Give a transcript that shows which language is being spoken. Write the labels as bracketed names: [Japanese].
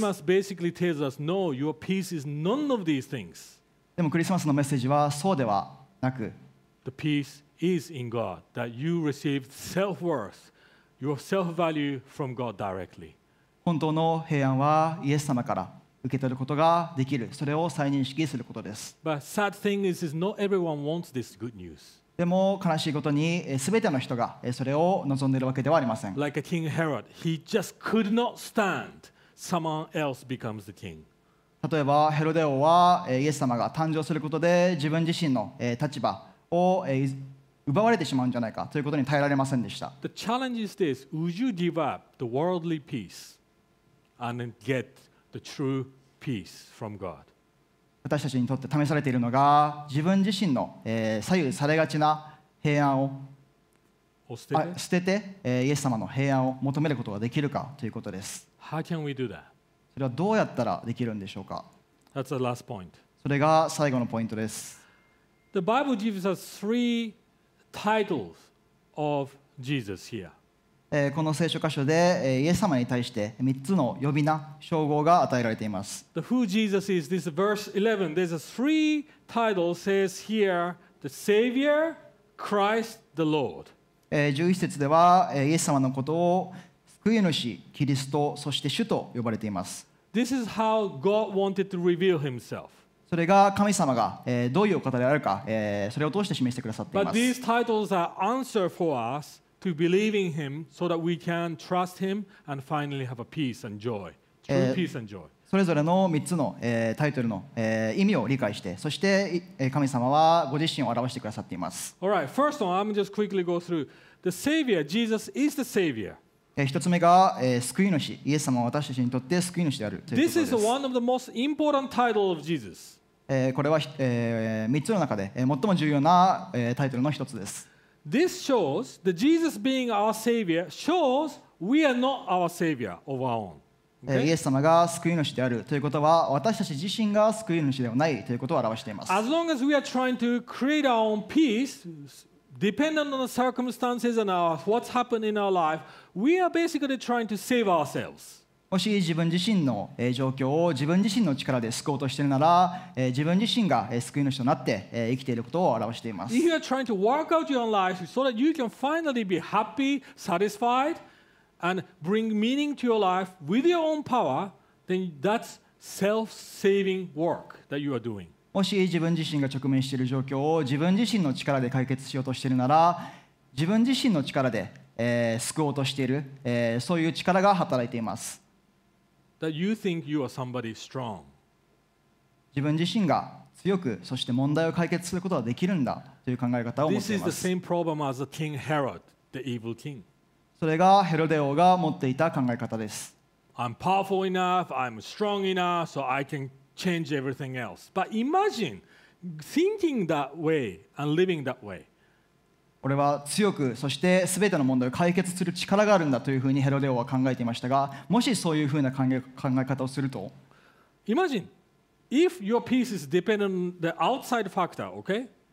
[English] But Christmas basically tells us, no, your peace is none of these things. [Japanese] でもクリスマスのメッセージはそうではなく、 [English] The peace is in God that you received self-worth, your self-value from God directly. [Japanese] 本当の平安はイエス様から受け取ることができる、それを再認識することです。 [English] But sad thing is not everyone wants this good news. [Japanese] でも悲しいことに、全ての人がそれを望んでいるわけではありません。 [English] Like a King Herod, he just could not stand someone else becomes the king. [Japanese] 例えばヘロデ王はイエス様が誕生することで自分自身の立場を奪われてしまうんじゃないかということに耐えられませんでした。 [English] The challenge is this: Would you give up the worldly peace? And get the true peace from God. [Japanese] 私たちにとって試されているのが自分自身の、左右されがちな平安を捨ててイエス様の平安を求めることができるかということです。 [English] How can we do that? [Japanese] それはどうやったらできるんでしょうか。 [English] That's the last point. [Japanese] それが最後のポイントです。 [English] The Bible gives us three titles of Jesus here. [Japanese] この聖書箇所でイエス様に対して3つの呼び名、称号が与えられています。 [English] The who Jesus is, this verse 11, there's a three titles says here, the Savior, Christ, the Lord. [Japanese] 11節ではイエス様のことを救い主、キリスト、そして主と呼ばれています。 [English] This is how God wanted to reveal himself. [Japanese] それが神様がどういうお方であるか、それを通して示してくださっています。 [English] But these titles are answer for usTo believe in him so that we can trust him and finally have a peace and joy. True peace and joy. [Japanese] それぞれの3つの、タイトルの、意味を理解して、そして、神様はご自身を表してくださっています。 [English] All right, first one, I'm just quickly go through. The Savior, Jesus is the Savior. [Japanese] 1つ目が、救い主、イエス様は私たちにとって救い主であるということです。 [English] This is one of the most important titles of Jesus. [Japanese] これは、3つの中で、最も重要な、タイトルの1つです。 [English] This shows that Jesus being our Savior shows we are not our Savior of our own. [Japanese] イエス様が救い主であるということは、私たち自身が救い主ではないということを表しています。 [English] As long as we are trying to create our own peace, dependent on the circumstances and what's happened in our life, we are basically trying to save ourselves. [Japanese] もし自分自身の状況を自分自身の力で救おうとしているなら、自分自身が救い主となって生きていることを表しています。 [English] You are trying to work out your own life so that you can finally be happy, satisfied, and bring meaning to your life with your own power, then that's self-saving work that you are doing. [Japanese] もし自分自身が直面している状況を自分自身の力で解決しようとしているなら、自分自身の力で救おうとしている、そういう力が働いています。 [English] That you think you are somebody strong. [Japanese] 自分自身が強く、そして問題を解決することができるんだという考え方を持っています。 [English] This is the same problem as the King Herod, the evil king. [Japanese] それがヘロデ王が持っていた考え方です。 [English] I'm powerful enough, I'm strong enough, so I can change everything else. But imagine thinking that way and living that way. [Japanese] 俺は強く、そして全ての問題を解決する力があるんだというふうにヘロデ王は考えていましたが、もしそういうふうな考え方をすると、 [English] Imagine if your peace is dependent on the outside factor, okay?